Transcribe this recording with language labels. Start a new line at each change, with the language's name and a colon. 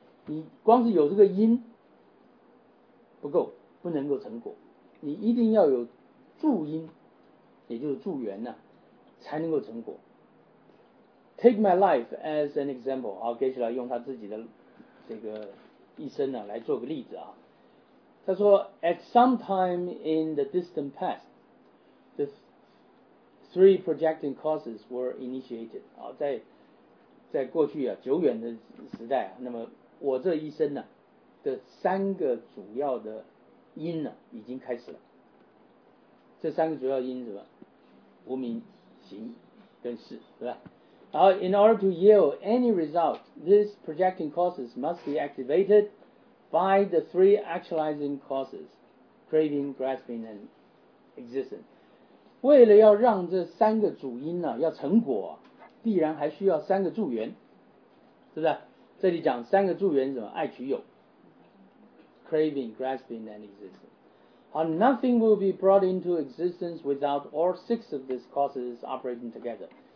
Chinese: 你光是有这个因不够，不能够成果，你一定要有助因，也就是助缘呢、啊，才能够成果。
English: Take my life as an example.
Chinese: 好，接下来用他自己的这个一生呢来做个例子啊。
English: 他说，At some time in the distant past, the three projecting causes were initiated.
Chinese: 好，在过去啊久远的时代啊，那么我这一生呢的三个主要的因呢已经开始了。这三个主要因是什么？无明、行跟识，是吧？
English: In order to yield any result, these projecting causes must be activated by the three actualizing causes, craving, grasping, and existence.
Chinese: 为了要让这三个主因呢、啊、要成果、啊，必然还需要三个助缘，是不是？这里讲三个助缘是什么？
English: 爱取有，craving, grasping, and existence. 好 ，nothing will be brought into existence without all six of these causes operating together.